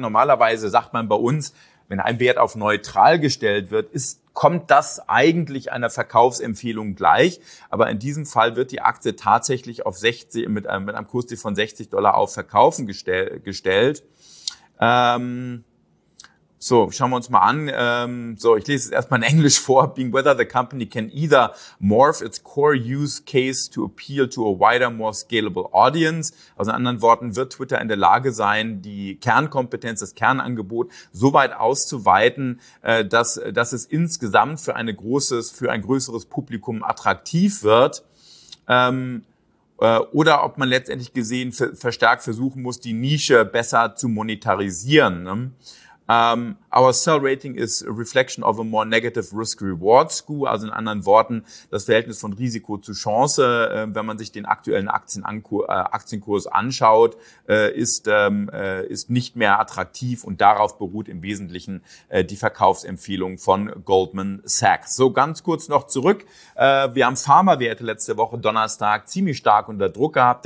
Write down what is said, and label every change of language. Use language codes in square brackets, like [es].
[de] Normalerweise sagt man bei uns, wenn ein Wert auf neutral gestellt wird, kommt das eigentlich einer Verkaufsempfehlung gleich. Aber in diesem Fall wird die Aktie tatsächlich auf mit einem Kursziel von $60 auf Verkaufen gestellt. Schauen wir uns mal an. Ich lese es erstmal in Englisch vor. [en] Being whether the company can either morph its core use case to appeal to a wider, more scalable audience. [de] Also in anderen Worten, wird Twitter in der Lage sein, die Kernkompetenz, das Kernangebot so weit auszuweiten, dass es insgesamt für ein größeres Publikum attraktiv wird. Oder ob man letztendlich gesehen verstärkt versuchen muss, die Nische besser zu monetarisieren. Ne? [en] Our sell rating is a reflection of a more negative risk-reward skew. [de] Also in anderen Worten, das Verhältnis von Risiko zu Chance, wenn man sich den aktuellen Aktienkurs anschaut, ist nicht mehr attraktiv und darauf beruht im Wesentlichen die Verkaufsempfehlung von Goldman Sachs. So, ganz kurz noch zurück. Wir haben Pharmawerte letzte Woche Donnerstag ziemlich stark unter Druck gehabt.